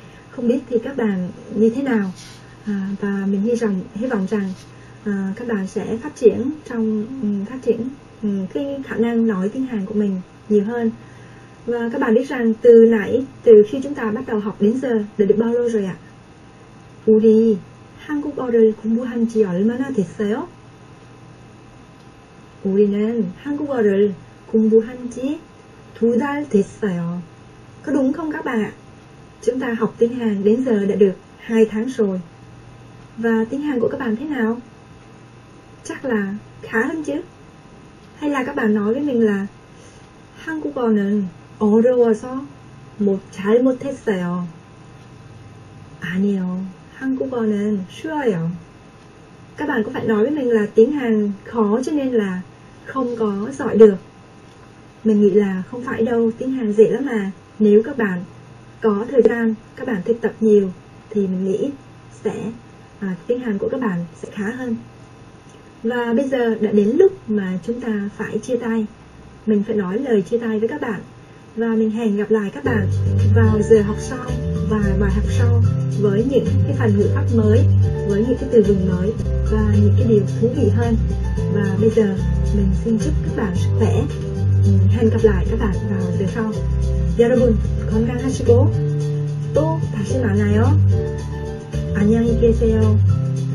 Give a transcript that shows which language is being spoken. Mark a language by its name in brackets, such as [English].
[Vietnamese] Không biết thì các bạn như thế nào? Và mình hy vọng rằng các bạn sẽ phát triển cái khả năng nói tiếng Hàn của mình nhiều hơn. Và các bạn biết rằng từ nãy, từ khi chúng ta bắt đầu học đến giờ đã được bao lâu rồi ạ? [Korean] 우리 한국어를 공부한 지 얼마나 됐어요? 우리는 한국어를 공부한 지 두 달 됐어요. [Vietnamese] Có đúng không các bạn ạ? Chúng ta học tiếng Hàn đến giờ đã được 2 tháng rồi. Và tiếng Hàn của các bạn thế nào? Chắc là khá hơn chứ? Hay là các bạn nói với mình là [Korean] 한국어는 어려워서 잘 못했어요. 아니요. 한국어는 쉬워요. [Vietnamese] Các bạn có phải nói với mình là tiếng Hàn khó cho nên là không có giỏi được. Mình nghĩ là không phải đâu, tiếng Hàn dễ lắm mà. Nếu các bạn có thời gian, các bạn thực tập nhiều thì mình nghĩ sẽ tiếng Hàn của các bạn sẽ khá hơn. Và bây giờ đã đến lúc mà chúng ta phải chia tay. Mình phải nói lời chia tay với các bạn. Và mình hẹn gặp lại các bạn vào giờ học sau và bài học sau với những cái phần ngữ pháp mới, với những cái từ vựng mới và những cái điều thú vị hơn. Và bây giờ mình xin chúc các bạn sức khỏe. Hẹn gặp lại các bạn vào giờ sau. [Korean] 여러분, 건강하시고 또 다시 만나요. 안녕히 계세요.